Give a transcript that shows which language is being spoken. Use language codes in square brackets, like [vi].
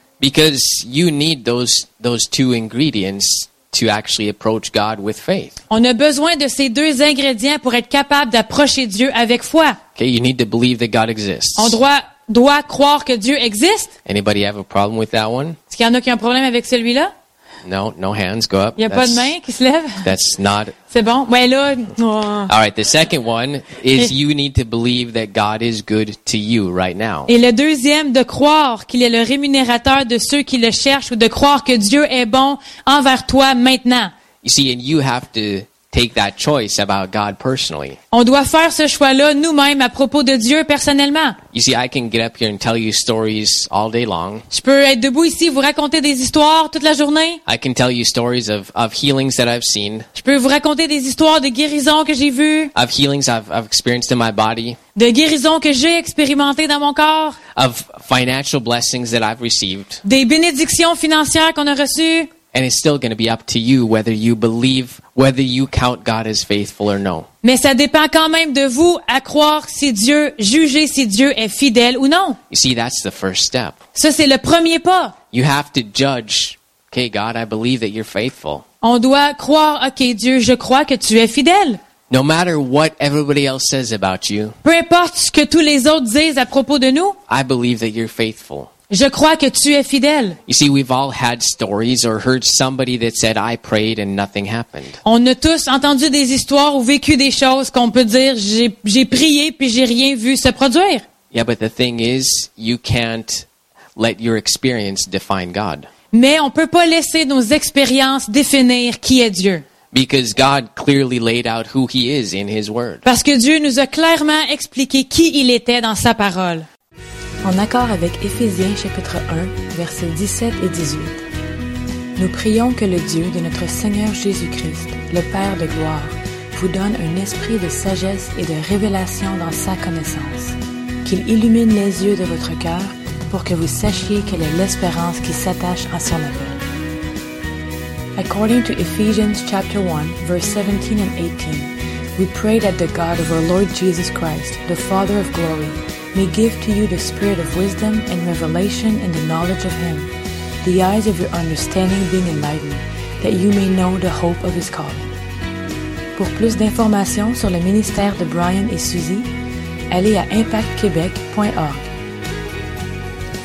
[en] Because you need those two ingredients to actually approach God with faith. [fr] On a besoin de ces deux ingrédients pour être capable d'approcher Dieu avec foi. [en] Okay, you need to believe that God exists. [fr] On doit croire que Dieu existe. [en] Anybody have a problem with that one? [fr] Est-ce qu'il y en a qui ont un problème avec celui-là? [en] No, no hands go up. [fr] Il y a pas de main qui se lève? [en] That's not. [fr] C'est bon. Ouais, là. Oh. [en] All right, the second one is you need to believe that God is good to you right now. [fr] Et le deuxième, de croire qu'il est le rémunérateur de ceux qui le cherchent ou de croire que Dieu est bon envers toi maintenant. [en] You see, and you have to take that choice about God personally. [fr] On doit faire ce choix-là nous-mêmes à propos de Dieu personnellement. [en] You see, I can get up here and tell you stories all day long. [fr] Je peux être debout ici vous raconter des histoires toute la journée. [en] I can tell you stories of healings that I've seen. [fr] Je peux vous raconter des histoires de guérisons que j'ai vues. [en] Of healings I've experienced in my body. [fr] De guérisons que j'ai expérimentées dans mon corps. [en] Of financial blessings that I've received. [fr] Des bénédictions financières qu'on a reçues. [en] And it's still going to be up to you whether you believe, whether you count God as faithful or no. [fr] Mais ça dépend quand même de vous à croire si Dieu, juger si Dieu est fidèle ou non. [en] You see, that's the first step. [fr] Ça, c'est le premier pas. [en] You have to judge, okay, God, I believe that you're faithful. [fr] On doit croire, ok, Dieu, je crois que tu es fidèle. [en] No matter what everybody else says about you. [fr] Peu importe ce que tous les autres disent à propos de nous. [en] I believe that you're faithful. [fr] Je crois que tu es fidèle. [en] You see, we've all had stories or heard somebody that said, I prayed and nothing happened. [fr] On a tous entendu des histoires ou vécu des choses qu'on peut dire, j'ai prié puis j'ai rien vu se produire. [en] Yeah, but the thing is, you can't let your experience define God. [fr] Mais on peut pas laisser nos expériences définir qui est Dieu. [en] Because God clearly laid out who he is in his word. [fr] Parce que Dieu nous a clairement expliqué qui il était dans sa parole. En accord avec Éphésiens chapitre 1, versets 17 et 18, nous prions que le Dieu de notre Seigneur Jésus-Christ, le Père de gloire, vous donne un esprit de sagesse et de révélation dans sa connaissance, qu'il illumine les yeux de votre cœur pour que vous sachiez quelle est l'espérance qui s'attache à son appel. [en] According to Ephesians chapter 1, verse 17 and 18, we pray that the God of our Lord Jesus Christ, the Father of glory, may give to you the spirit of wisdom and revelation in the knowledge of Him, the eyes of your understanding being enlightened, that you may know the hope of His calling. [fr] Pour plus d'informations sur le ministère de Brian et Suzy, allez à impactquebec.org.